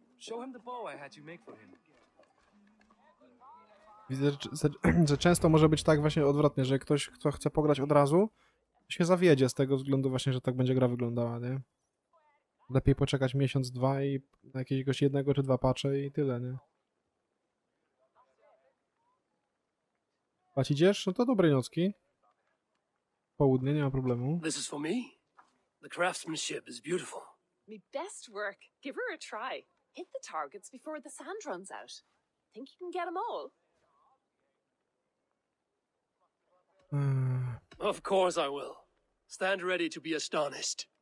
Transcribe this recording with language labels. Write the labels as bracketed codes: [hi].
[en] Show him the bow I had you make for him. [pl] Widzę, że często może być tak właśnie odwrotnie, że ktoś, kto chce pograć od razu, się zawiedzie z tego względu właśnie, że tak będzie gra wyglądała, nie? Lepiej poczekać miesiąc, dwa i na jakiegoś jednego czy dwa patche i tyle, nie? Pać idziesz? No to dobrej nocki. Południe, nie ma problemu. [en] This is for me. The craftsmanship is beautiful. My best work. Give her a try. Hit the targets before the sand runs out. Think you can get them all? Of course I will. Stand ready to be astonished.